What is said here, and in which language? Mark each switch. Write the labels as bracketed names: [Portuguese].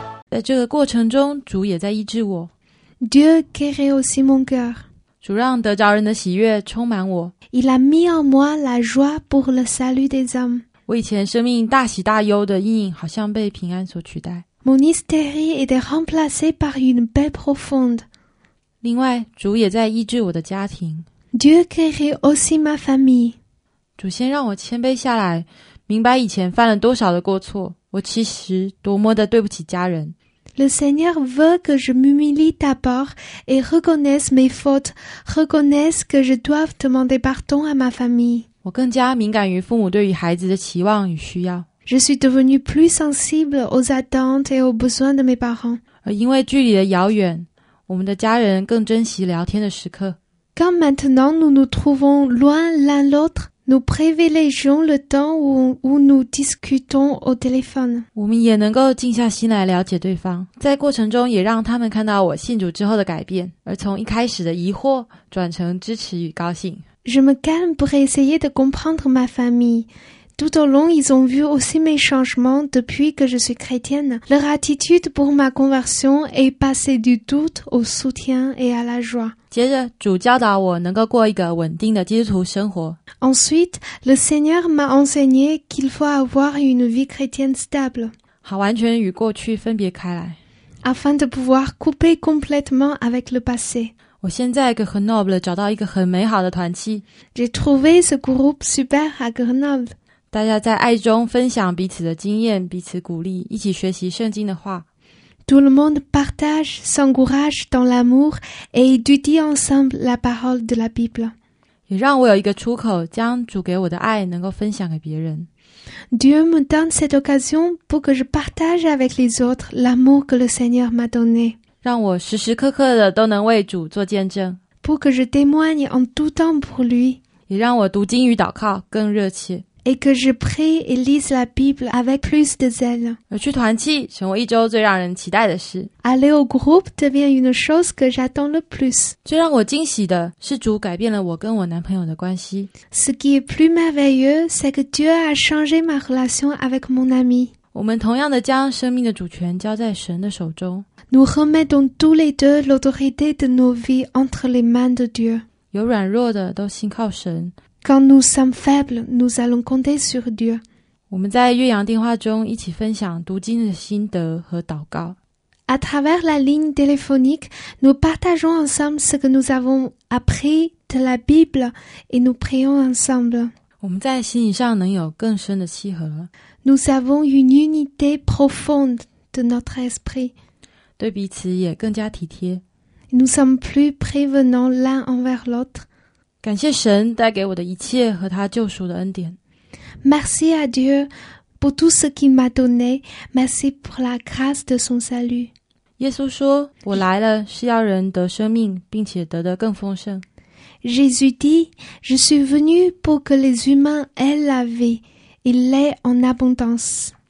[Chinese] 在这个过程中，主也在医治我。 [French] Dieu guérit aussi mon cœur. [Chinese] 主让得着人的喜悦充满我。 [French] Il a mis en moi la joie pour le salut des hommes. [Chinese] 我以前生命大喜大忧的阴影好像被平安所取代。 [French] Mon hystérie était remplacée par une paix profonde. [Chinese] 另外，主也在医治我的家庭。 [French] Dieu guérit aussi ma famille. [Chinese] 主先让我谦卑下来，明白以前犯了多少的过错，我其实多么的对不起家人。 [French] Le Seigneur veut que je m'humilie d'abord et reconnaisse mes fautes, reconnaisse que je dois demander pardon à ma famille. [Chinese] 我更加敏感于父母对于孩子的期望与需要。 [French] Je suis devenue plus sensible aux attentes et aux besoins de mes parents. [Chinese] 而因为距离的遥远，我们的家人更珍惜聊天的时刻。 [French] Quand maintenant nous nous trouvons loin l'un l'autre, nous privilégions le temps où nous discutons au téléphone. [Chinese] 我们也能够静下心来了解对方，在过程中也让他们看到我信主之后的改变，而从一开始的疑惑转成支持与高兴。 [French] Je me calme pour essayer de comprendre ma famille. Tout au long, ils ont vu aussi mes changements depuis que je suis chrétienne. Leur attitude pour ma conversion est passée du doute au soutien et à la joie. [Chinese] 接着，主教导我能够过一个稳定的基督徒生活。 [French] Ensuite, le Seigneur m'a enseigné qu'il faut avoir une vie chrétienne stable. [Chinese] 好，完全与过去分别开来。 [French] Afin de pouvoir couper complètement avec le passé. [Chinese] 我现在在 Grenoble 找到一个很美好的团契。 [French] J'ai trouvé ce groupe super à Grenoble. [Chinese] 大家在爱中分享彼此的经验，彼此鼓励，一起学习圣经的话。 [French] Tout le monde partage, s'encourage dans l'amour et étudie ensemble la parole de la Bible. [Chinese] 也让我有一个出口，将主给我的爱能够分享给别人。 [French] Dieu me donne cette occasion pour que je partage avec les autres l'amour que le Seigneur m'a donné. [Chinese] 让我时时刻刻的都能为主做见证。 [French] Pour que je témoigne en tout temps pour lui. [Chinese] 也让我读经与祷告更热切。 [French] Et que je prie et lise la Bible avec plus de zèle. [Chinese] 而去团契成为一周最让人期待的事。 [French] Aller au groupe devient une chose que j'attends le plus. [Chinese] 最让我惊喜的是主改变了我跟我男朋友的关系。 [French] Ce qui est plus merveilleux, c'est que Dieu a changé ma relation avec mon ami. [Chinese] 我们同样的将生命的主权交在神的手中。 [French] Nous remettons tous les deux l'autorité de nos vies entre les mains de Dieu. [Chinese] 有软弱的都信靠神。 [French] Quand nous sommes faibles, nous allons compter sur Dieu. [Chinese] 我们在岳阳电话中一起分享读经的心得和祷告。 [French] À travers la ligne téléphonique, nous partageons ensemble ce que nous avons appris de la Bible et nous prions ensemble. [Chinese] 我们在心理上能有更深的契合。 [French] Nous avons une unité profonde de notre esprit. [Chinese] 对彼此也更加体贴。 [French] Nous sommes plus prévenants l'un envers l'autre. [Chinese] 感谢神带给我的一切和他救赎的恩典。 [French] Merci à Dieu pour tout ce qu'il m'a donné. Merci pour la grâce de son salut. [Chinese] 耶稣说，我来了是要人得生命，并且得的更丰盛。 [French] Jésus dit, je suis venu pour que les humains aient la vie et l'aient en abondance.